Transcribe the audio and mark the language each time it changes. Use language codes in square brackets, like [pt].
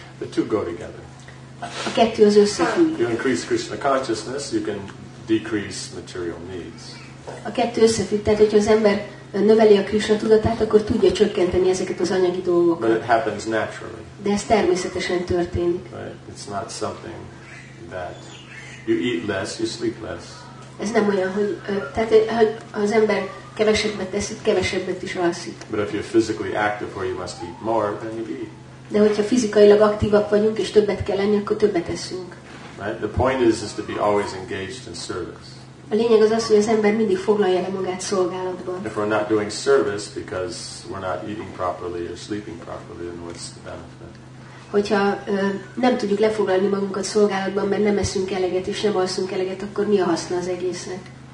[en] The two go together. [hu] A kettő az összefügg. [en] You increase Krishna consciousness, you can decrease material needs. [hu] A kettő összefügg, tehát hogyha az ember növeli a Krishna tudatát, akkor tudja csökkenteni ezeket az anyagi dolgokat. [en] But it happens naturally. [hu] De ez természetesen történik. [en] Right? It's not something that you eat less, you sleep less. [hu] Ez nem olyan, hogy az ember kevesebbet teszik, kevesebbet is alszik. [en] But if you're physically active or you must eat more, then you eat. [hu] De hogyha fizikailag aktívak vagyunk és többet kell lenni, akkor többet eszünk. [en] Right? The point is to be always engaged in service. [hu] A lényeg az, hogy az ember mindig foglalja le magát szolgálatban. [en] If we're not doing service because we're not eating properly or sleeping properly, then what's the benefit? [hu] Hogyha nem tudjuk lefoglalni magunkat szolgálatban, mert nem eszünk eleget és nem alszunk eleget, akkor mi a haszna az egésznek?